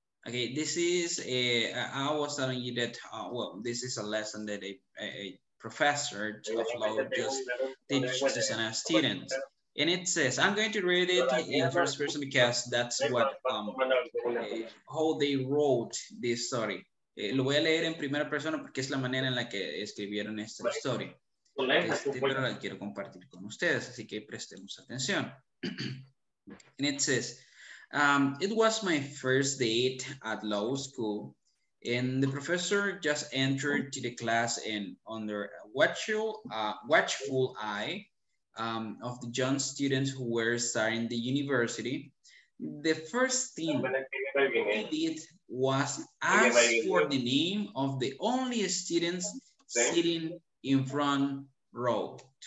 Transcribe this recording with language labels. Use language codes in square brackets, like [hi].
[en] Okay, this is a, I was telling you that, well, this is a lesson that a professor of law just teaches to some students. And it says, I'm going to read it in first person because that's what, how they wrote this story. [es] Lo voy a leer en primera persona porque es la manera en la que escribieron esta historia. Este libro la quiero compartir con ustedes, así que prestemos atención. [en] And it says, it was my first date at law school, and the professor just entered to the class, and under a watchful eye of the young students who were starting the university, the first thing he did was ask for the name of the only students sitting in front row.